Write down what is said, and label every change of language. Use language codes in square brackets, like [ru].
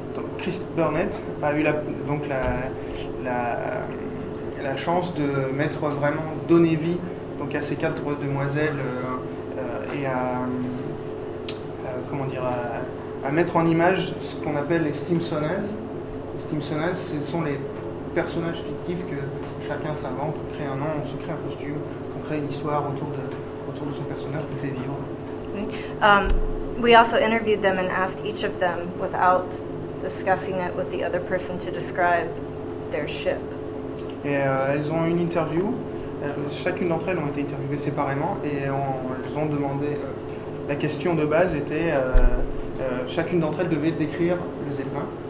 [fr] Donc Krista Burnett a eu la chance de mettre vraiment donner vie donc à ces quatre demoiselles et à mettre en image ce qu'on appelle les steam saunas. Les steam saunas, ce sont les personnages fictifs que chacun s'invente, on crée un nom, on se crée un costume, on crée une histoire autour de son personnage, on le fait vivre. [en] We also interviewed them and asked each of them, without discussing it with the other person, to describe their ship. [fr] Et elles ont une interview. Chacune d'entre elles ont été interviewées séparément et elles ont demandé. La question de base était chacune d'entre elles devait décrire le zeppelin.